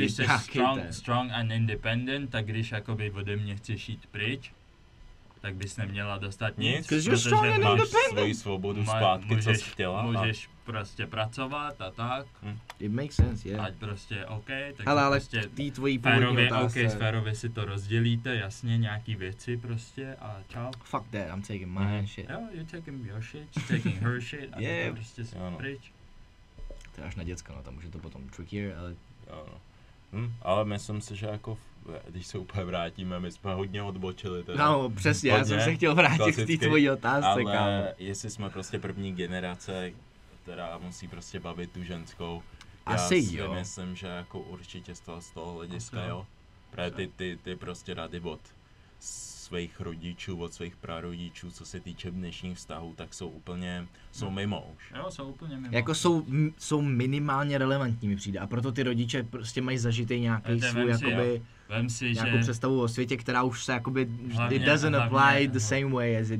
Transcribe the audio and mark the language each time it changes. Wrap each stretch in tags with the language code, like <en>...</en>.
<cs>když jsi</cs> <en>strong and independent,</en> <cs>tak když jakoby ode mě chceš jít pryč, tak bys neměla dostat nic, protože máš svoji svobodu zpátky, můžeš, co jsi chtěla. Můžeš prostě pracovat a tak.</cs> <en>It makes sense, yeah.</en> <cs>Ať prostě OK. Tak ale prostě tý tvojí původní férově, otázce. Okay, s férově si to rozdělíte, jasně, nějaký věci prostě a čau.</cs> <en>Fuck that, I'm taking my mm-hmm. shit. Jo, you're taking your shit, she's taking her shit a yeah.</en> <cs>prostě jsi ano. pryč. To je až na děcka, no tam už je to potom trickier, ale... Ano. Ale myslím si, že jako... Když se úplně vrátíme, my jsme hodně odbočili. Teda. No, přesně, já jsem se chtěl vrátit klasicky, k té tvojí otázce, ale kámo. Jestli jsme prostě první generace, která musí prostě bavit tu ženskou, asi já si jo. myslím, že jako určitě z toho hlediska, jo. Právě ty prostě rady od svých rodičů, od svých prarodičů, co se týče dnešních vztahů, tak jsou mimo už. Jo, jsou úplně mimo. Jako jsou minimálně relevantní, mi přijde. A proto ty rodiče prostě mají zažitý nějaký svůj, jakoby... Vem si, nějakou že... představu o světě, která už se jakoby...</cs> <en>Hlavně, it doesn't hlavně, apply the same way as it</en>